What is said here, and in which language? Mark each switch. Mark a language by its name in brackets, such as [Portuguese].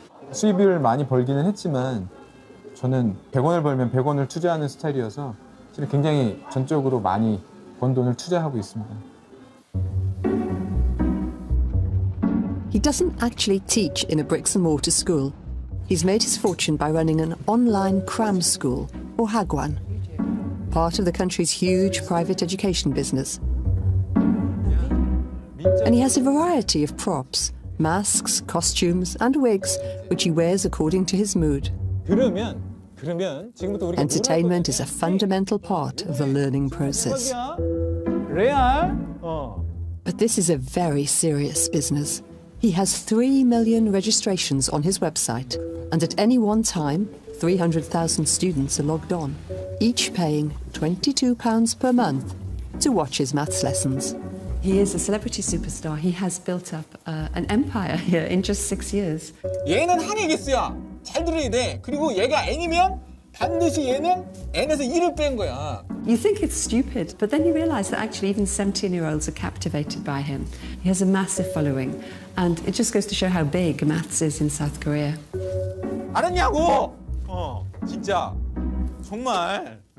[Korean] 수입을 많이 벌기는 했지만 저는 100원을 벌면 100원을 투자하는 스타일이어서 사실 굉장히 전적으로 많이 번 돈을 투자하고 있습니다. [English] He doesn't actually teach in a bricks and mortar school. He's made his fortune by running an online cram school, or hagwon, part of the country's huge private education business. And he has a variety of props, masks, costumes, and wigs, which he wears according to his mood. Entertainment is a fundamental part of the learning process. But this is a very serious business. He has 3 million registrations on his website, and at any one time, 300,000 students are logged on, each paying £22 per month to watch his maths lessons. He is a celebrity superstar. He has built up an empire here in just 6 years. [Korean] 얘는 한이겠어요. 잘 들어야 돼. 그리고 얘가 N이면 반드시 얘는 N에서 1을 뺀 거야. [English] You think it's stupid, but then you realize that actually even 17-year-olds are captivated by him. He has a massive following, and it just goes to show how big maths is in South Korea. [Korean] 알았냐고? 진짜. 정말.